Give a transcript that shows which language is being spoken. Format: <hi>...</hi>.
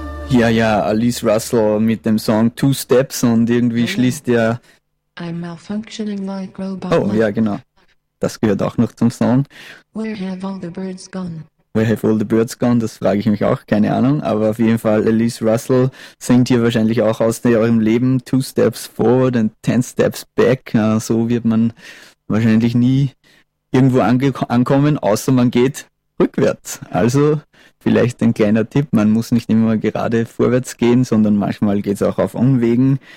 <de>Ja, ja, Alice Russell mit dem Song Two Steps und irgendwie schließt er.</de> <en>I'm malfunctioning like robot.</en> <de>Oh, ja, genau. Das gehört auch noch zum Song.</de> <en>Where have all the birds gone? Where have all the birds gone?</en> <de>Das frage ich mich auch, keine Ahnung. Aber auf jeden Fall, Alice Russell singt hier wahrscheinlich auch aus eurem Leben Two Steps Forward and Ten Steps Back. So wird man wahrscheinlich nie irgendwo ankommen, außer man geht rückwärts. Also vielleicht ein kleiner Tipp, man muss nicht immer gerade vorwärts gehen, sondern manchmal geht es auch auf Umwegen.</de>